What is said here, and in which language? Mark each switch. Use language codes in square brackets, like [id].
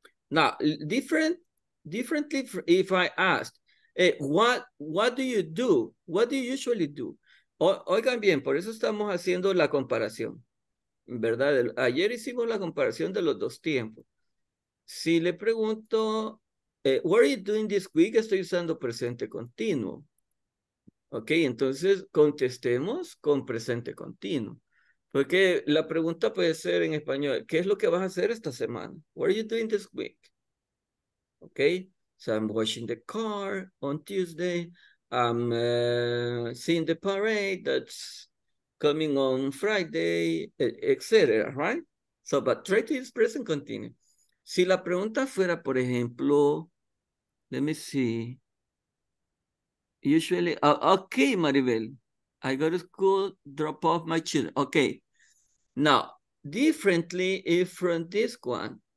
[en] Now, differently, if I asked, what do you do? What do you usually do? [es] Oigan bien, por eso estamos haciendo la comparación, ¿verdad? Ayer hicimos la comparación de los dos tiempos. Si le pregunto, [en] what are you doing this week? [es] Estoy usando presente continuo. Ok, entonces contestemos con presente continuo. Porque la pregunta puede ser en español, ¿qué es lo que vas a hacer esta semana? [en] What are you doing this week? Ok, so I'm washing the car on Tuesday. I'm seeing the parade that's coming on Friday, etc., right? So, but try to use present continuous. [es] Si la pregunta fuera, por ejemplo, [en] let me see. Usually, okay, Maribel, I go to school, drop off my children. Okay, now, differently from this one.